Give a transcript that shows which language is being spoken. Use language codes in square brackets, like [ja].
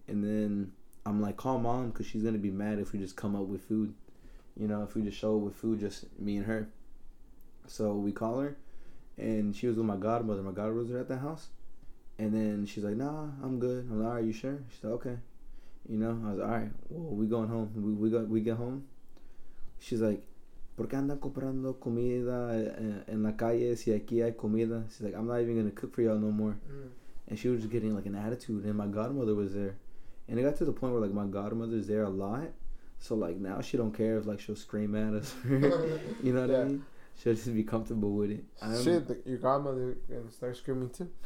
[en] And then I'm like, call mom because she's going to be mad if we just come up with food. You know, if we just show up with food, just me and her. So we call her. And she was with my godmother. My godmother was at the house. And then she's like, nah, I'm good. I'm like, all right, you sure? She's like, okay. You know, I was like, all right. Well, we going home. We get home. She's like, [es] ¿Por qué andan comprando comida en la calle si aquí hay comida? [en] She's like, I'm not even going to cook for y'all no more. Mm. And she was just getting like an attitude. And my godmother was there. And it got to the point where like my godmother's there a lot. So like now she don't care if like she'll scream at us. You know what I mean? She'll just be comfortable with it. Your godmother gonna start screaming too?